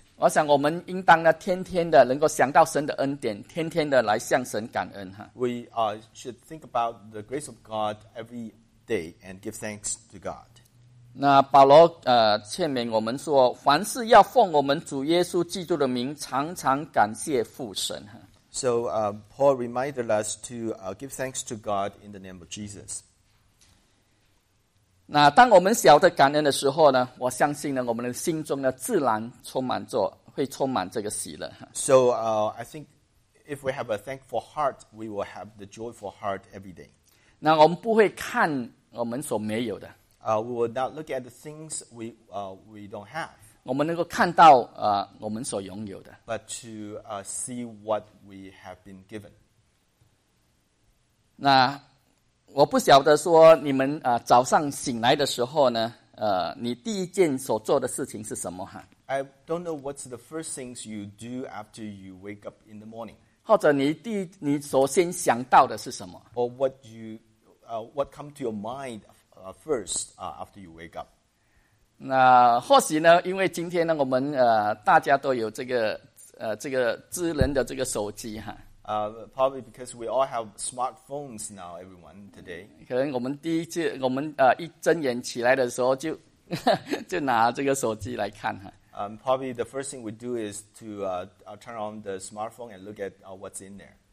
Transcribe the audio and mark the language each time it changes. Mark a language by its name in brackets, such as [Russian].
[Chinese] 我想我们应当呢，天天的能够想到神的恩典，天天的来向神感恩哈。 [English] We should think about the grace of God every day and give thanks to God. [Chinese] 那保罗劝勉我们说，凡事要奉我们主耶稣基督的名，常常感谢父神哈。 [English] So Paul reminded us to give thanks to God in the name of Jesus. [Chinese] 那当我们晓得感恩的时候呢，我相信呢，我们的心中呢，自然会充满这个喜乐。 [English] So I think if we have a thankful heart, we will have the joyful heart every day. [Chinese] 那我们不会看我们所没有的。 [English] We will not look at the things we don't have. [Chinese] 我们能够看到我们所拥有的。 [English] But to see what we have been given. [Chinese] 那我不晓得说你们早上醒来的时候呢，你第一件所做的事情是什么哈？ [English] I don't know what's the first things you do after you wake up in the morning. [Chinese] 或者你首先想到的是什么 [English] ？Or what you, what come to your mind, first, after you wake up? [Chinese] 那或许呢？因为今天呢，我们大家都有这个智能的这个手机哈。 [English] Probably because we all have smartphones now, everyone today. [Chinese] 可能我们第一次我们一睁眼起来的时候就就拿这个手机来看哈。 [English] Probably the first thing we do is to turn on the smartphone and look at what's in there.